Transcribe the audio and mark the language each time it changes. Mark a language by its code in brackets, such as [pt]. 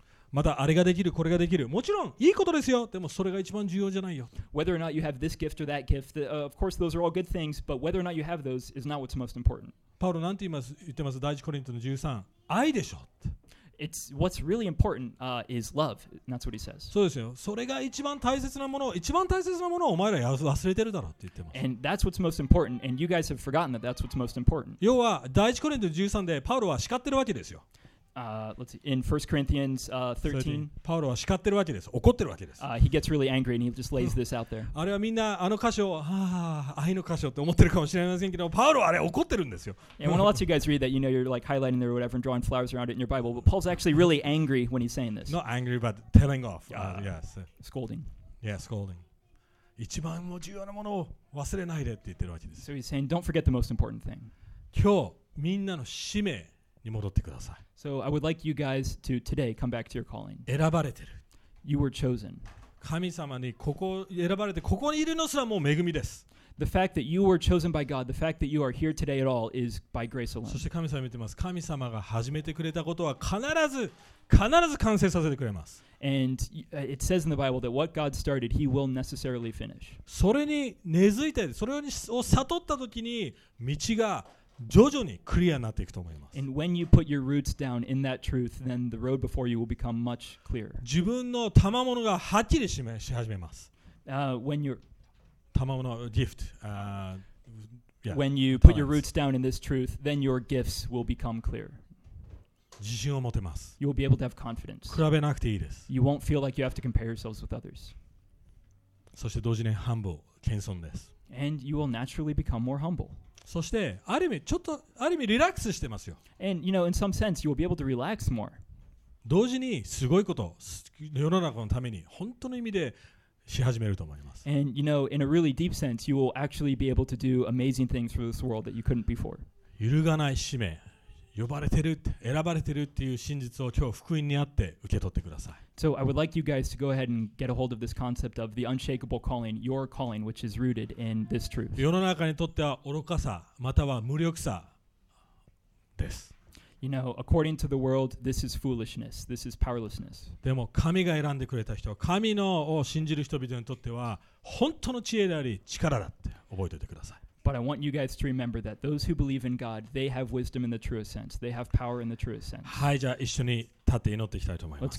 [ja] またあれができるこれができるもちろんいいことですよでもそれが一番重要じゃないよ [en] whether or not you have this gift or that gift the, of course those are all good things but whether or not you have those is not what's most important [ja] パウロなんて言ってます第一コリントの13愛でしょ [en] it's what's really important is love that's what he says [ja] そうですよそれが一番大切なものをお前ら忘れてるだろうって言ってます [en] and that's what's most important and you guys have forgotten that that's what's most important [ja] 要は第一コリントの13でパウロは叱ってるわけですよ [en] Let's see, in 1 Corinthians 13, [ja] パウロは叱ってるわけです。怒ってるわけです。 [en] He gets really angry and he just lays this out there. あれはみんなあの箇所、愛の箇所って思ってるかもしれませんけど、パウロはあれ怒ってるんですよ。 And when I let you guys read that, you know, you're like highlighting there or whatever and drawing flowers around it in your Bible, but Paul's actually really angry when he's saying this. Not angry, but telling off. Yes. Scolding. Yeah, scolding. [ja] 一番重要なものを忘れないでって言ってるわけです。 [en] So he's saying, don't forget the most important thing. [ja] 今日、みんなの使命に戻ってください。 [en] So I would like you guys to today come back to your calling. [ja] 選ばれてる。 [en] You were chosen. [ja] 神様にここ選ばれてここにいるのすらもう恵みです。 [en] The fact that you were chosen by God, the fact that you are here today at all is by grace alone. [ja] そして神様見てます。神様が始めてくれたことは必ず完成させてくれます。 [en] And it says in the Bible that what God started, He will necessarily finish. [ja] それに根付いて、それを悟ったときに道が徐々にクリアになっていくと思います。 [en] And when you put your roots down in that truth, then the road before you will become much clearer. [ja] 自分の賜物がはっきりし始めます。 [en] When your [ja] 賜物 gift, [en] when you put your roots down in this truth, then your gifts will become clear. [ja] 自信を持てます。 [en] You will be able to have confidence. [ja] 比べなくていいです。 [en] You won't feel like you have to compare yourselves with others. [ja] そして同時に humble, 謙遜です。 [en] And you will naturally become more humble. [ja] そしてある意味ちょっとある意味リラックスしてますよ。 [en] And you know, in some sense, you will be able to relax more. [ja] 同時にすごいこと、世の中のために本当の意味でし始めると思います。 [en] And you know, in a really deep sense, you will actually be able to do amazing things for this world that you couldn't before. [ja] 揺るがない使命、呼ばれてる、選ばれてるっていう真実を今日福音にあって受け取ってください。 [en] So I would like you guys to go ahead and get a hold of this concept of the unshakable calling, your calling, which is rooted in this truth. [ja] 世の中にとっては愚かさ、または無力さです。 [en] You know, according to the world, this is foolishness. This is powerlessness. [ja] でも神が選んでくれた人、神のを信じる人々にとっては本当の知恵であり力だって覚えておいてください。 [en] But I want you guys to remember that those who believe in God, they have wisdom in the truest sense. They have power in the truest sense. [ja] はい、じゃあ一緒に立って祈っていきたいと思います。